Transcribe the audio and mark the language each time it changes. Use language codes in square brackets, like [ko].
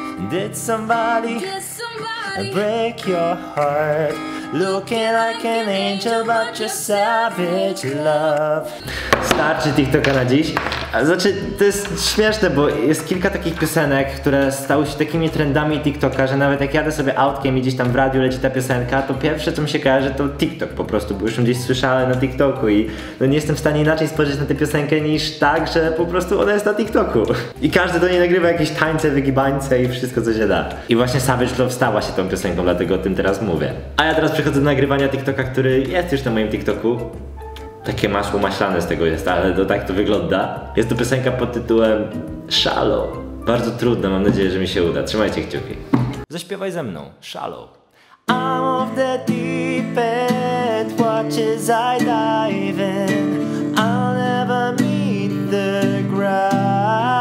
[en] Did somebody break your heart? Looking like an angel, but you're savage love. [pl] Starczy TikToka na dziś. Znaczy, to jest śmieszne, bo jest kilka takich piosenek, które stały się takimi trendami TikToka, że nawet jak jadę sobie autkiem i gdzieś tam w radiu leci ta piosenka, to pierwsze co mi się kojarzy to TikTok po prostu, bo już ją gdzieś słyszałem na TikToku i no nie jestem w stanie inaczej spojrzeć na tę piosenkę niż tak, że po prostu ona jest na TikToku. I każdy do niej nagrywa jakieś tańce, wygibańce i wszystko co się da. I właśnie Savage Love stała się tą piosenką, dlatego o tym teraz mówię. A ja teraz przechodzę do nagrywania TikToka, który jest już na moim TikToku. Takie masło maślane z tego jest, ale to tak to wygląda. Jest to piosenka pod tytułem Shallow. Bardzo trudna, mam nadzieję, że mi się uda. Trzymajcie kciuki. Zaśpiewaj ze mną, Shallow. [en] I'm off the deep end, watch as I dive in. I'll never meet the ground.